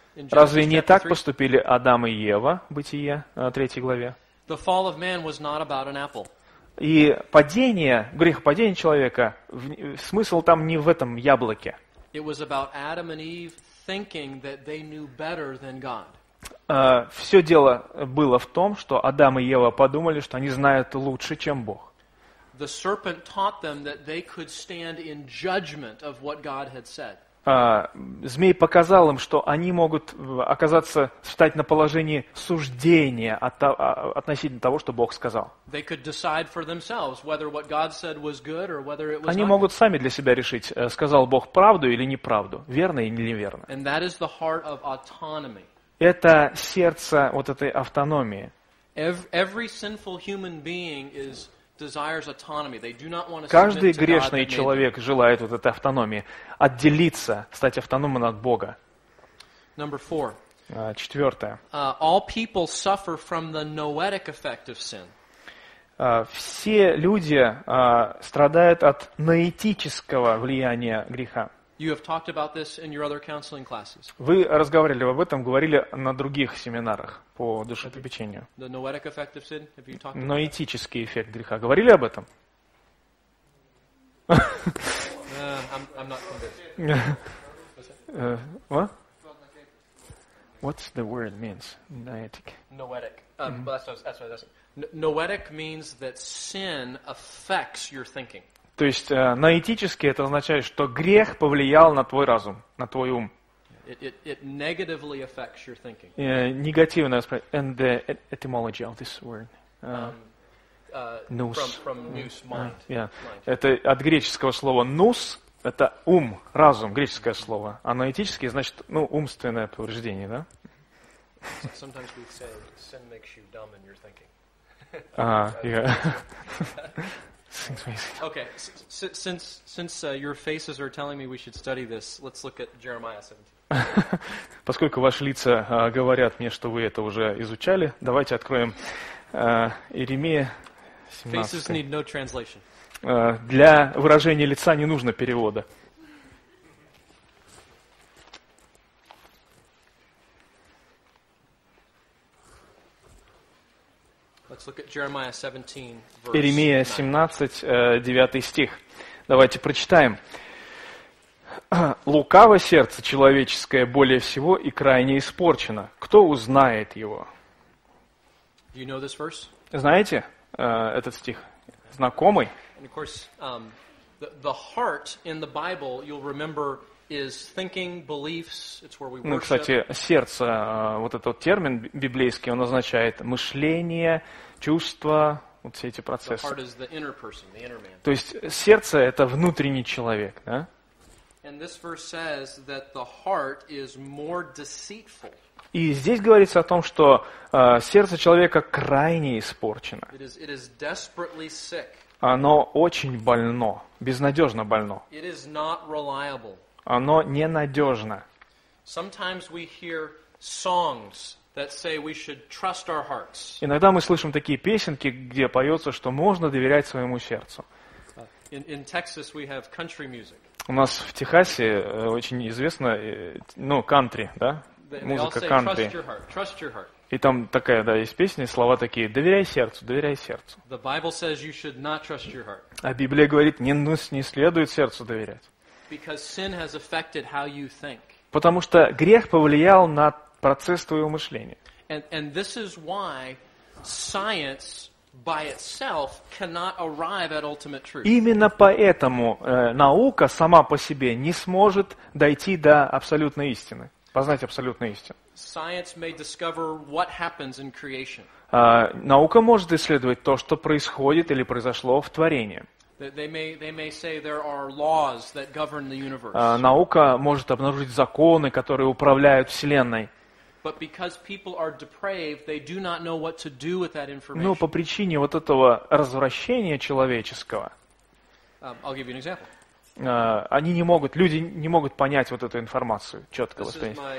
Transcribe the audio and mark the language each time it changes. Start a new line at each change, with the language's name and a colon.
Russian: Разве не так поступили Адам и Ева, Бытие, 3 главе?
English: The fall of man was not about an apple.
Russian: И падение, грех падения человека, смысл там не в этом яблоке.
English: It was about Adam and Eve thinking that they knew better than God.
Russian: Все дело было в том, что Адам и Ева подумали, что они знают лучше, чем Бог.
English: The serpent taught them that they could stand in judgment of what God had said.
Russian: Змей показал им, что они могут оказаться, встать на положение суждения относительно того, что Бог сказал.
English: They could decide for themselves whether what God said was good or whether it was.
Russian: Они могут сами для себя решить, сказал Бог правду или неправду, верно или неверно.
English: And that is the heart of autonomy.
Russian: Это сердце вот этой автономии.
English: Every sinful human being is desires autonomy. They do not want to.
Russian: Каждый грешный человек желает вот этой автономии, отделиться, стать автономным от Бога.
English: Number four.
Russian: Четвертое.
English: All people suffer from the noetic effect of sin.
Russian: Все люди страдают от ноетического влияния греха.
English: You have talked about this in your other counseling classes.
Russian: Вы разговаривали об этом, говорили на других семинарах по душетопечению.
English: The noetic effect of sin. Have you talked about that?
Russian: Ноетический эффект греха. Говорили об этом?
English: I'm not convinced. What's the word means? Noetic. Noetic. That's what I was asking. Noetic means that sin affects your thinking.
Russian: То есть ноетически это означает, что грех повлиял на твой разум, на твой ум.
English: It negatively affects your thinking.
Russian: Негативное восприятие.
English: And the etymology of this word. Nous. From nous, mind. Yeah.
Russian: Это от греческого слова nous, это ум, разум, греческое слово. А ноетически значит, ну, умственное повреждение, да?
English: Sometimes we say sin makes you dumb in your thinking. Okay, since your faces are telling me we should study this, let's look at Jeremiah 17.
Russian: Поскольку ваши лица говорят мне, что вы это уже изучали, давайте откроем Иеремия 17.
English: Faces need no translation.
Russian: Для выражения лица не нужно перевода. Иеремия 17, 9 стих. Давайте прочитаем. «Лукаво сердце человеческое более всего и крайне испорчено. Кто узнает его?» Знаете этот стих? Знакомый? И, конечно, сердце в Библии, вы помните,
English: is thinking beliefs, it's where we worship.
Russian: Ну, кстати, сердце, вот этот вот термин библейский, он означает мышление, чувства, вот все эти процессы.
English: The heart is the inner person, the inner man.
Russian: То есть сердце это внутренний человек, да?
English: And this verse says that the heart is more deceitful.
Russian: И здесь говорится о том, что сердце человека крайне испорчено.
English: It is desperately sick.
Russian: Оно очень больно, безнадежно больно.
English: It is not reliable.
Russian: Оно ненадежно.
English: Sometimes we hear songs that say we should trust our hearts.
Russian: Иногда мы слышим такие песенки, где поется, что можно доверять своему сердцу.
English: In Texas we have country music.
Russian: У нас в Техасе очень известно, ну, кантри, да? Музыка кантри. И там такая, да, есть песня, слова такие: «Доверяй сердцу, доверяй сердцу».
English: The Bible says you should not trust your heart.
Russian: А Библия говорит, не следует сердцу доверять.
English: Because sin has affected how you think.
Russian: Потому что грех повлиял на процесс твоего мышления.
English: And this is why science by itself cannot arrive at ultimate truth.
Russian: Именно поэтому наука сама по себе не сможет дойти до абсолютной истины, познать абсолютную истину.
English: Science may discover what happens in creation.
Russian: Наука может исследовать то, что происходит или произошло в творении.
English: They may say there are laws that govern the universe.
Russian: Наука может обнаружить законы, которые управляют вселенной.
English: But because people are depraved, they do not know what to do with that information.
Russian: Но по причине вот этого развращения человеческого.
English: I'll give you an example.
Russian: Они не могут, люди не могут понять вот эту информацию, четко воспринять.